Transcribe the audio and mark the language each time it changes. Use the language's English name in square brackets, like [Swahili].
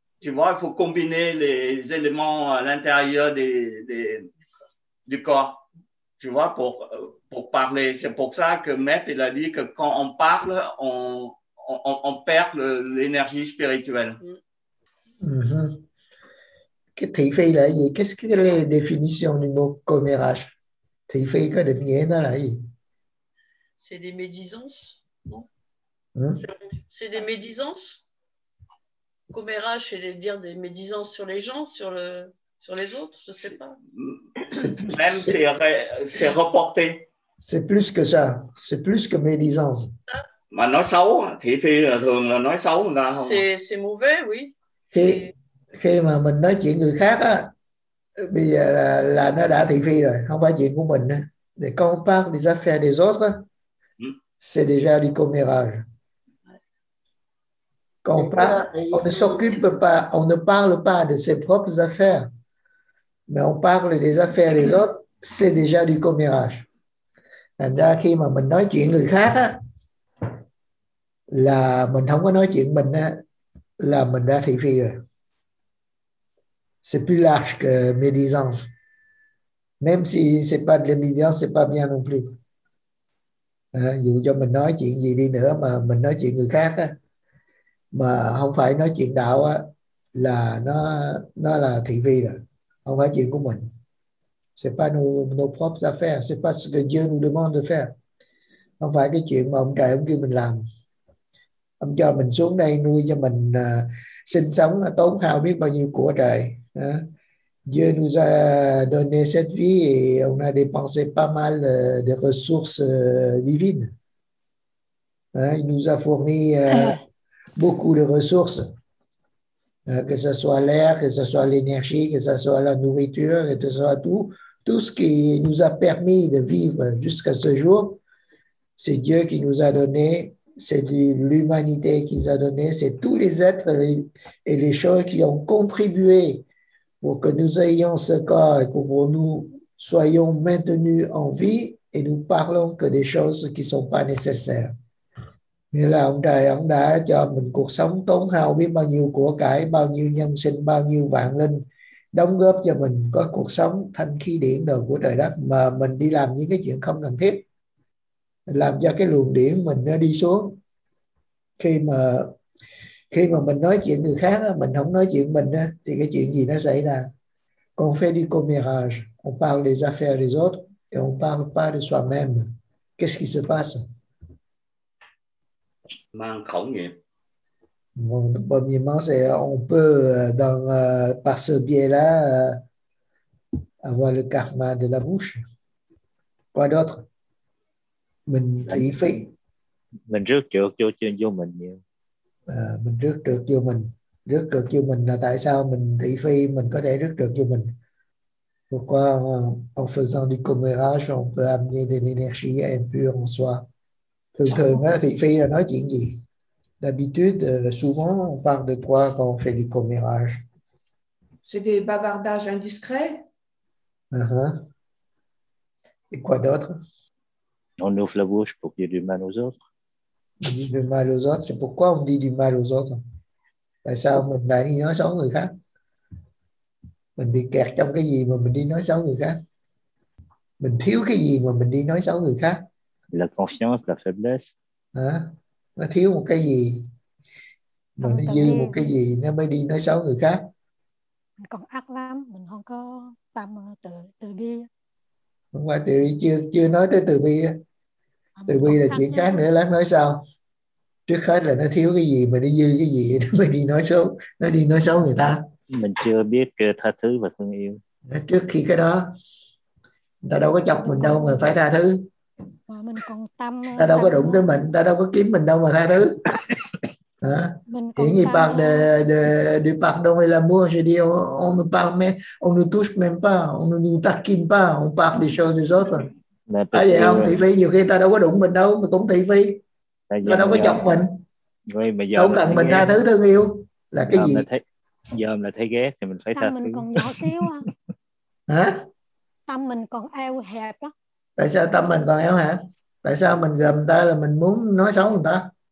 [French] Tu vois, il faut combiner les éléments à l'intérieur du corps, tu vois, pour parler. C'est pour ça que Maître, il a dit que quand on parle, on perd l'énergie spirituelle. [Vietnamese] Mm-hmm. Thị phi là gì? [French] Qu'est-ce que la définition du mot commérage? [Vietnamese] Thị phi có định nghĩa nó là gì? [French] C'est des médisances. C'est des médisances. Commérage, c'est dire des médisances sur les gens, sur les autres, je ne sais pas. Même c'est reporté. C'est plus que ça, c'est plus que médisance. [Vietnamese] Mais nói xấu, thị phi là thường là nói xấu người ta không? [French] C'est mauvais, oui. [Vietnamese] Khi mà mình nói chuyện người khác á, bây giờ là nó đã thị phi rồi, không phải chuyện của mình. [French] Để quand on parle des affaires des autres, c'est déjà du commérage. On ne s'occupe pas, on ne parle pas de ses propres affaires, mais on parle des affaires des autres, c'est déjà du commérage. [Vietnamese] Thành ra khi mà mình nói chuyện người khác á, là mình không có nói chuyện mình á, là mình đã thị phi rồi. [French] C'est plus large que médisance. Même si c'est pas de la médisance, c'est pas bien non plus. [Vietnamese] Dù cho mình nói chuyện gì đi nữa mà mình nói chuyện người khác á, mà không phải nói chuyện đạo á, là nó là thị phi rồi, không phải chuyện của mình. [French] C'est pas nos propres affaires, c'est pas ce que Dieu nous demande de faire. [Vietnamese] Không phải cái chuyện mà ông trời ông kêu mình làm. Ông cho mình xuống đây nuôi cho mình sinh sống, tốn hao biết bao nhiêu của trời. [French] Dieu nous a donné cette vie et on a dépensé pas mal de ressources divines. Il nous a fourni beaucoup de ressources, que ce soit l'air, que ce soit l'énergie, que ce soit la nourriture, que ce soit tout ce qui nous a permis de vivre jusqu'à ce jour, c'est Dieu qui nous a donné, c'est l'humanité qui nous a donné, c'est tous les êtres et les choses qui ont contribué pour que nous ayons ce corps et pour que nous soyons maintenus en vie et nous parlons que des choses qui ne sont pas nécessaires. [Vietnamese] Nghĩa là ông trời ông đã cho mình cuộc sống tốn hao biết bao nhiêu của cải, bao nhiêu nhân sinh, bao nhiêu vạn linh đóng góp cho mình có cuộc sống thanh khí điển đời của trời đất, mà mình đi làm những cái chuyện không cần thiết, làm cho cái luồng điển mình nó đi xuống. Khi mà mình nói chuyện người khác, mình không nói chuyện mình thì cái chuyện gì nó xảy ra? Con [French] fait du commérage, on parle des affaires des autres et on ne parle pas de soi-même. Qu'est-ce qui se passe? [Vietnamese] Mang khẩu nghiệp. [French] Mon premièrement, c'est on peut dans, par ce biais-là avoir le karma de la bouche. Quoi d'autre? [Vietnamese] Mình thị phi. Mình rước trượt vô chuyện vô mình nhiều. Mình rước trượt vô mình. Rước trượt vô mình là tại sao mình thị phi, mình có thể rước trượt vô mình. [French] Pourquoi en faisant du commérage, on peut amener de l'énergie impure en soi? [Vietnamese] Thường thường thị phi là nói chuyện gì? [French] D'habitude, souvent, on parle de quoi quand on fait du commérage? C'est des bavardages indiscrets. Et quoi d'autre? On ouvre la bouche pour qu'il y ait du mal aux autres. On dit du mal aux autres. C'est pourquoi on dit du mal aux autres? [Vietnamese] Tại sao mình lại đi nói xấu người khác? Mình bị kẹt trong cái gì mà mình đi nói xấu người khác? Mình thiếu cái gì mà mình đi nói xấu người khác? [French] La confiance, la faiblesse. [Vietnamese] Nó thiếu một cái gì mà nó dư một cái gì nó mới đi nói xấu người khác. Còn ác lắm, mình không có tâm từ từ bi. Không phải từ bi, chưa nói tới từ bi. Từ bi là chuyện khác nữa, lát nói sau. Trước hết là nó thiếu cái gì mà nó dư cái gì nó mới đi nói xấu, nó đi nói xấu người ta. Mình chưa biết tha thứ và thương yêu. Trước khi cái đó, người ta đâu có chọc mình đâu mà phải tha thứ. Mà mình còn tâm ta đâu có đụng tới mình, ta đâu có kiếm mình đâu mà tha thứ. Hiển nhiên bạn [French] de pardon et l'amour, je dis on ne parle même, on ne touche même pas, on ne nous taquine pas, on parle des choses des autres. [Vietnamese] Tại vì ông thị phi nhiều khi ta đâu có đụng mình đâu mà cũng thị phi, ta đâu có chọc mình, đâu cần mình tha thứ thương yêu là cái gì? Giờ là thấy ghét thì mình phải tha thứ. Tâm mình còn nhỏ xíu à? Hả? Tâm mình còn eo hẹp á. Tại sao tâm mình còn eo hẹp? Tại sao mình gầm ta là mình muốn nói xấu người ta?